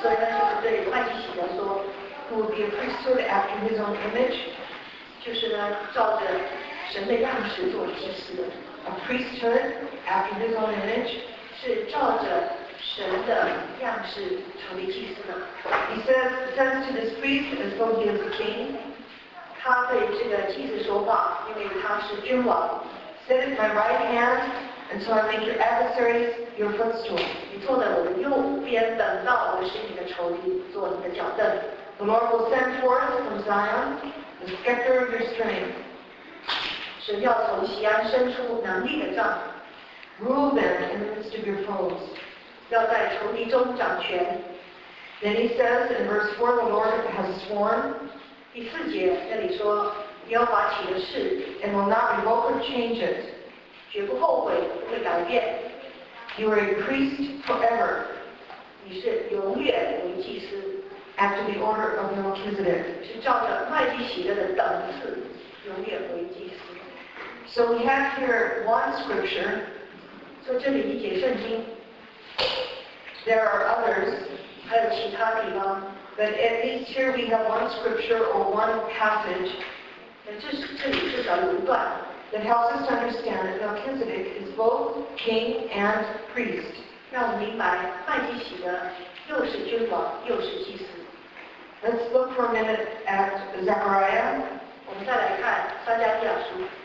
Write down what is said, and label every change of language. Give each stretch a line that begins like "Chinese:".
Chinese: 所以呢就是对麦基洗德说，
English: who will be a priesthood after his own image,
Chinese: 就是呢照着神的样式做祭司的。
English: A priesthood after his own image,
Chinese: 是照着神的样式成为祭司的。
English: He says, sends to this priest as though he is a king.
Chinese: 他对这个祭司说话，因为他是君王。
English: Sit at my right hand until I make your adversaries your footstool.
Chinese: 你坐在我的右边，等到我使你的仇敌做你的脚凳。
English: The Lord will send forth from Zion the scepter of your strength.
Chinese: 神要从锡安伸出能力的杖。
English: Rule them in the midst of your foes.
Chinese: 要在仇敌中掌权。
English: Then he says in verse 4, the Lord has sworn.
Chinese: 第四节这里说，耶和华起了誓。
English: And will not revoke or change it.
Chinese: 绝不后悔，不会改变。
English: You are a priest forever.
Chinese: 你是永远为祭司。
English: After the order of Melchizedek.
Chinese: 是照着麦基洗德的等次，永远为祭司。
English: So we have here one scripture.
Chinese: 所以这里一节圣经。
English: There are others,
Chinese: 还有其他地方
English: but at least here we have one scripture or one passage.
Chinese: 那这是这里至少有一段
English: that helps us to understand that Melchizedek is both king and priest.
Chinese: 让我们明白麦基洗德又是君王又是祭司。
English: Let's look for a minute at Zechariah.
Chinese: 我们再来看撒迦利亚书。